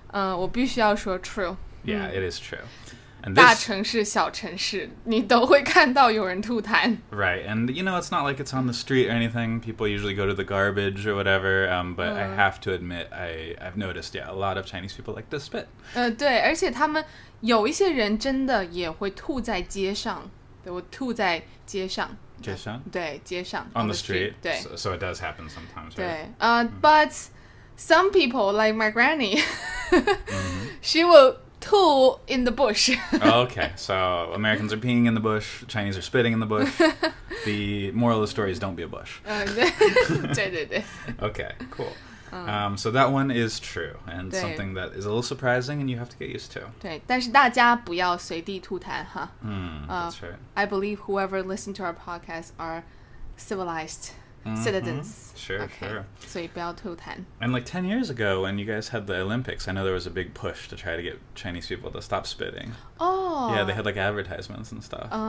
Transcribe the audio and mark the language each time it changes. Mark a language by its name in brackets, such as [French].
[Chinese] 我必须要说 [English] true. Yeah, it is true. And this, [Chinese] 大城市、小城市，你都会看到有人吐痰。 [English] Right, and you know, it's not like it's on the street or anything. People usually go to the garbage or whatever, but I have to admit, I've noticed, a lot of Chinese people like to spit. [Chinese] 对，而且他们有一些人真的也会吐在街上。对，我吐在街上。街上对街上 [English] on the street [Chinese] 对 [English] so it does happen sometimes [Chinese] 对、 [English] right? But some people like my granny she will [Chinese] 吐 [English] in the bush okay so Americans are peeing in the bush Chinese are spitting in the bush the moral of the story is don't be a bush [Chinese] 对对对 [English] okay cool so that one is true and something that is a little surprising and you have to get used to [Chinese] 对但是大家不要随地吐痰哈 [English] that's right I believe whoever listened to our podcast are civilized citizens sure okay, sure [Chinese] 所以不要吐痰 [English] and like 10 years ago when you guys had the Olympics I know there was a big push to try to get Chinese people to stop spitting yeah they had like advertisements and stuff